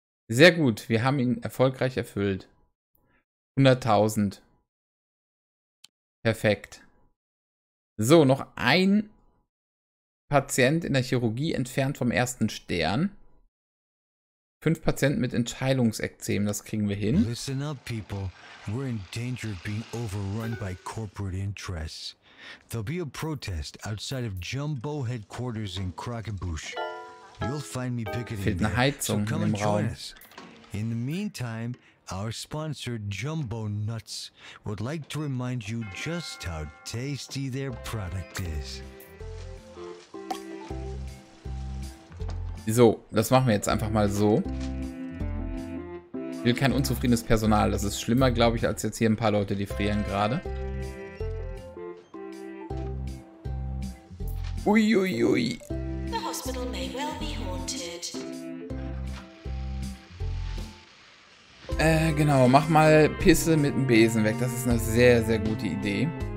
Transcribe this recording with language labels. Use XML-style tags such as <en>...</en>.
<de>Sehr gut, wir haben ihn erfolgreich erfüllt. 100.000. Perfekt. So, noch ein Patient in der Chirurgie entfernt vom ersten Stern. 5 Patienten mit Entscheidungsekzem, das kriegen wir hin.</de> <en>Listen up, people. We're in danger of being overrun by corporate interests. There'll be a protest outside of Jumbo headquarters in Krakenbusch. You'll find me picketing there, so come and join us. In the meantime, Our sponsor, Jumbo Nuts, would like to remind you just how tasty their product is.</en> <de>So, das machen wir jetzt einfach mal so. Ich will kein unzufriedenes Personal. Das ist schlimmer, glaube ich, als jetzt hier ein paar Leute, die frieren gerade. Uiuiui.</de> <en>The hospital may well be haunted.</en> <de>Genau. Mach mal Pisse mit dem Besen weg. Das ist eine sehr, sehr gute Idee.</de>